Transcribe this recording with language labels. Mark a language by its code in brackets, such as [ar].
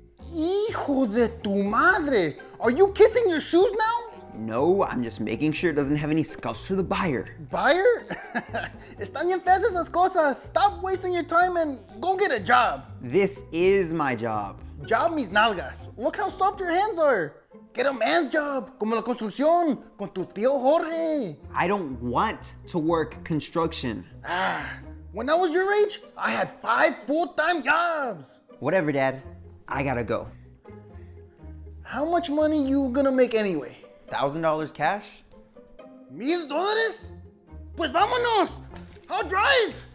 [es] Hijo de tu madre! [en] Are you kissing your shoes now? No, I'm just making sure it doesn't have any scuffs for the buyer. Buyer? [es] Están bien feas esas cosas. [en] Stop wasting your time and go get a job. This is my job. Job [es] mis nalgas. [en] Look how soft your hands are. Get a man's job, [es] como la construcción, con tu tío Jorge. [en] I don't want to work construction. Ah, when I was your age, I had 5 full-time jobs. Whatever, Dad. I gotta go. How much money you gonna make anyway? $1,000 cash? $1,000? [es] Pues vámonos! [en] I'll drive!